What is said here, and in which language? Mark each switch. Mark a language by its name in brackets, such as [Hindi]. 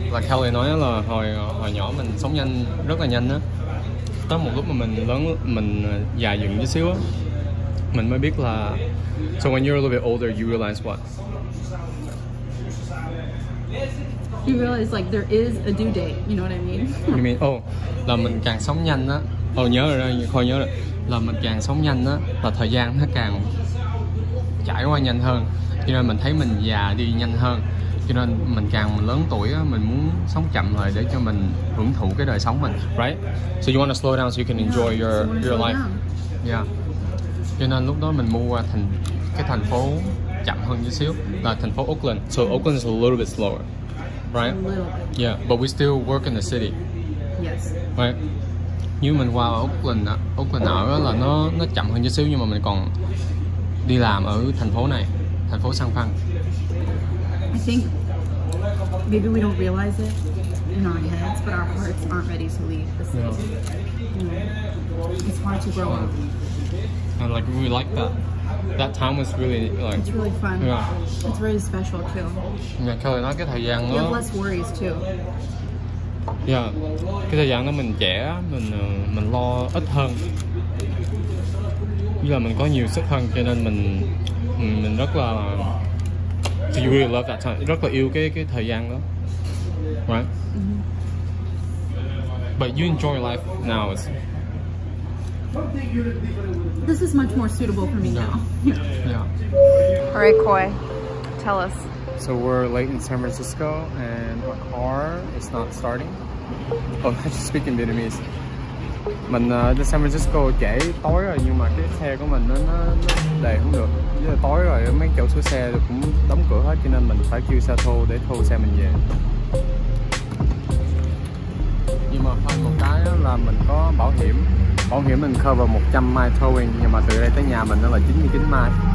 [Vietnamese] Like Kelly nói là hồi nhỏ mình sống nhanh, rất là nhanh á. Tới một lúc mà mình lớn, mình già dần chút xíu á, mình mới biết là... [English] So when you're a little bit older, you realize what? You realize like there is a due date, you know what I mean? You mean, [Vietnamese] là mình càng sống nhanh á. Oh, nhớ rồi, hồi nhớ rồi. Là mình càng sống nhanh á, là thời gian nó càng trải qua nhanh hơn. Cho nên mình thấy mình già đi nhanh hơn. Cho nên mình càng lớn tuổi á, mình muốn sống chậm lại để cho mình hưởng thụ cái đời sống mình. [English] Right? So you want to slow down so you can enjoy your life. Yeah. [Vietnamese] Cho nên lúc đó mình mua thành phố chậm hơn chút xíu. Là thành phố Oakland. [English] So Oakland is a little bit slower. Right? A little bit. Yeah, but we still work in the city. Yes. Right? [Vietnamese] Như mình qua Oakland ở là nó chậm hơn chút xíu, nhưng mà mình còn đi làm ở thành phố này, thành phố San Fran. [English] I think maybe we don't realize it in our heads, but our hearts aren't ready to leave the city. It's hard to grow up. And like we like that. That time was really like. It's really fun. Yeah. It's really special too. [Vietnamese] Yeah, Kelly, nó cái thời gian nó. [English] You have less worries too. [Vietnamese] Yeah, cái thời gian đó mình trẻ, mình lo ít hơn, như là mình có nhiều sức hơn, cho nên mình rất là [English] you really love that time, [Vietnamese] rất là yêu cái thời gian đó, right? [English] Mm-hmm. But you enjoy life now. This is much more suitable for me now. Yeah. All right, Koi, tell us. So we're late in San Francisco, and my car is not starting. Oh, I just speak in Vietnamese. [Vietnamese] mình đi San Francisco trễ tối rồi nhưng mà cái xe của mình nó đầy không được. Giờ tối rồi mấy chỗ sửa xe cũng đóng cửa hết cho nên mình phải kêu xe thô để thô xe mình về. Nhưng mà hơn một cái là mình có bảo hiểm. Bảo hiểm mình [English] cover 100 mile towing [Vietnamese] nhưng mà từ đây tới nhà mình nó là 99 mile.